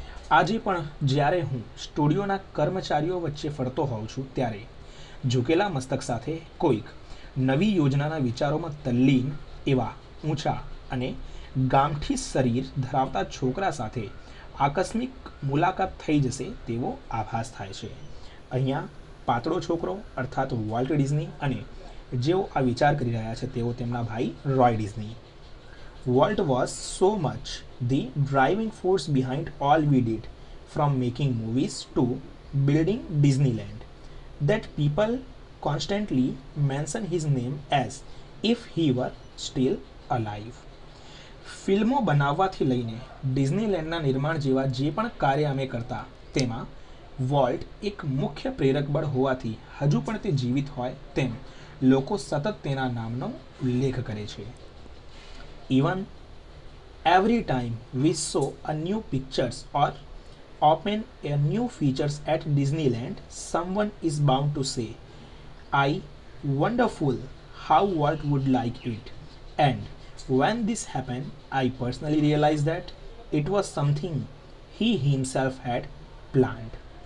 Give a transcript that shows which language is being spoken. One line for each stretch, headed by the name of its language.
Gujarati: આજે પણ જ્યારે હું સ્ટુડિયોના કર્મચારીઓ વચ્ચે ફરતો હોઉં છું ત્યારે ઝૂકેલા મસ્તક સાથે કોઈક નવી યોજનાના વિચારોમાં તલ્લીન એવા ઊંચા અને ગામઠી શરીર ધરાવતા છોકરા સાથે આકસ્મિક મુલાકાત થઈ જશે તેવો આભાસ થાય છે। અહીંયા પાતળો છોકરો અર્થાત વોલ્ટ ડિઝની અને જેઓ આ વિચાર કરી રહ્યા છે તેઓ તેમના ભાઈ Roy Disney.
English: Walt was so much the driving force behind all we did, from making movies to building Disneyland, that people constantly mention his name as if he were still alive.
Gujarati: ફિલ્મો બનાવવાથી લઈને ડિઝનીલેન્ડના નિર્માણ જેવા જે પણ કાર્ય અમે કરતા તેમાં વોલ્ટ એક મુખ્ય પ્રેરક બળ હોવાથી હજુ પણ તે જીવિત હોય તેમ લોકો સતત તેના નામનો ઉલ્લેખ કરે છે.
English: Even every time we show a new pictures or open a new features at Disneyland someone is bound to say I wonderful how Walt would like it and when this happened I personally realized that it was something he himself had planned.